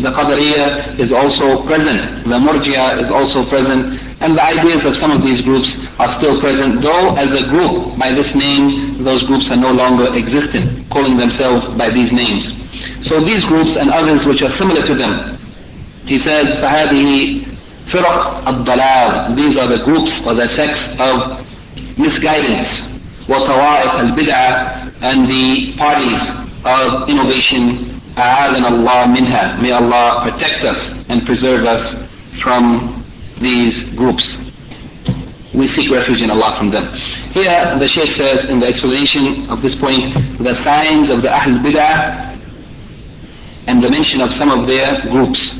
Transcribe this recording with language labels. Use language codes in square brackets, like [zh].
[en] The Qadariya is also present, the Murji'ah is also present, and the ideas of some of these groups are still present, though as a group, by this name, those groups are no longer existent, calling themselves by these names. So these groups and others which are similar to them, he says, [ar] فَهَذِهِ فِرَقْ الضَّلَالِ. [en] These are the groups or the sects of misguidance. [ar] وطوائف البدعة, [en] and the parties of innovation, [ar] أعاذنا الله منها. [en] May Allah protect us and preserve us from these groups. We seek refuge in Allah from them. Here the Shaykh says in the explanation of this point, the signs of the Ahl Bid'ah and the mention of some of their groups.